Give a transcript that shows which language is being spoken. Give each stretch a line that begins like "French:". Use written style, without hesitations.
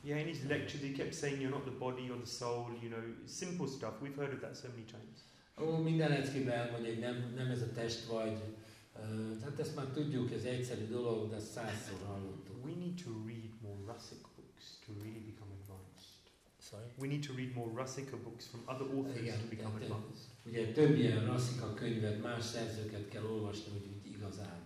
English: Yeah, in his lectures he kept saying, you're not the body, you're the soul, you know, simple stuff, we've heard of that so many times.
Hungarian: Minden leckében elmondja, hogy nem ez a test vagy, hát ezt már tudjuk, ez egyszerű dolog, de százszor hallottuk.
English: We need to read more rasic books to really become advanced. Sorry. We need to read more Rasika books from other authors to become advanced.
Hungarian: Ugye több ilyen Rasika könyvet, más szerzőket kell olvasni, hogy úgy igazán.